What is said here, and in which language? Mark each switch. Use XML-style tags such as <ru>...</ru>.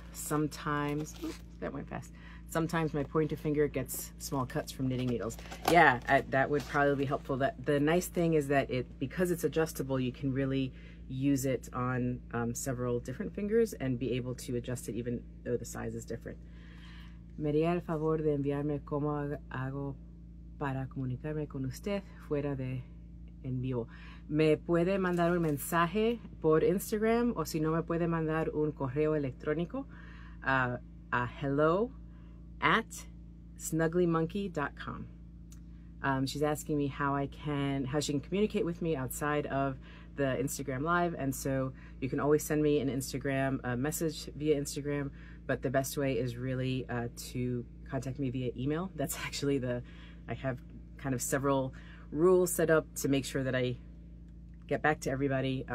<en>Sometimes, oops, that went fast. Sometimes my pointer finger gets small cuts from knitting needles. Yeah, that would probably be helpful. That the nice thing is that it, because it's adjustable, you can really use it on several different fingers and be able to adjust it even though the size is different.</en> <es>Me haría el favor de enviarme cómo hago para comunicarme con usted fuera de en vivo. Me puede mandar un mensaje por Instagram o si no me puede mandar un correo electrónico a hello@snugglymonkey.com.</es> <en>She's asking me how she can communicate with me outside of the Instagram Live. And so you can always send me an Instagram message via Instagram, but the best way is really to contact me via email. That's actually I have kind of several rules set up to make sure that I get back to everybody.</en>